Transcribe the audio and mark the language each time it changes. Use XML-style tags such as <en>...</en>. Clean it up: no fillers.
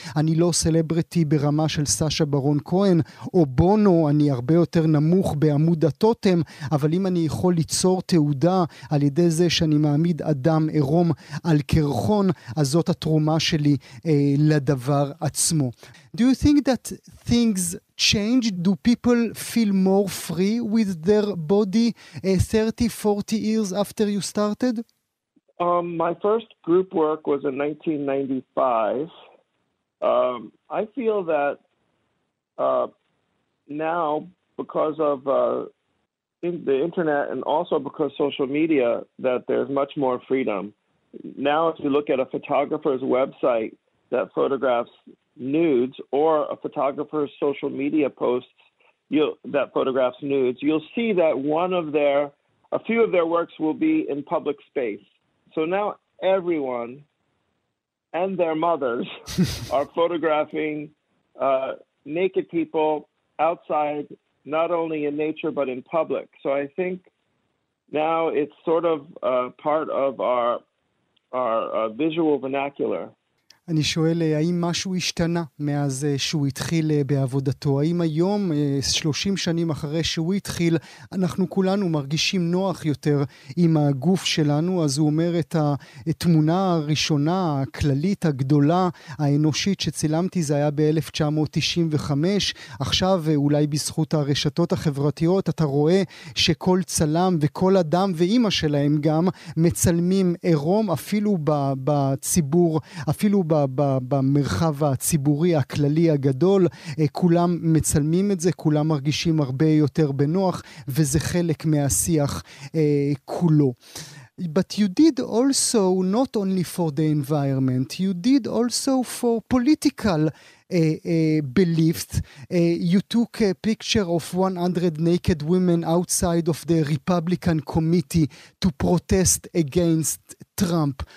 <he>אני לא סלבריטי ברמה של סאשה ברון כהן או בונו, אני הרבה יותר נמוך בעמוד הטוטם, אבל אם אני יכול ליצור תעודה על ידי זה שאני מעמיד אדם עירום על קרחון, אז זאת התרומה שלי לדבר עצמו.</he> <en>Do you think that things change? Do people feel more free with their body 30, 40 years after you started? My first group work was in 1995. I feel that now, because of the internet and also because social media, that there's much more freedom. Now, if you look at a photographer's website that photographs nudes or a photographer's social media posts that photographs nudes, you'll see that a few of their works will be in public space. So now everyone and their mothers are photographing naked people outside, not only in nature but in public. So I think now it's sort of a part of our visual vernacular.</en> <he>אני שואל, האם משהו השתנה מאז שהוא התחיל בעבודתו? האם היום, 30 שנים אחרי שהוא התחיל, אנחנו כולנו מרגישים נוח יותר עם הגוף שלנו? אז הוא אומר את התמונה הראשונה, הכללית, הגדולה, האנושית שצילמתי, זה היה ב-1995. עכשיו, אולי בזכות הרשתות החברתיות, אתה רואה שכל צלם וכל אדם ואימא שלהם גם מצלמים עירום, אפילו בציבור, אפילו במרחב הציבורי הכללי הגדול, כולם מצלמים את זה, כולם מרגישים הרבה יותר בנוח, וזה חלק מהשיח כולו.</he> <en>But you did also not only for the environment, you did also for political beliefs. You took a picture of 100 naked women outside of the Republican committee to protest against Trump.</en>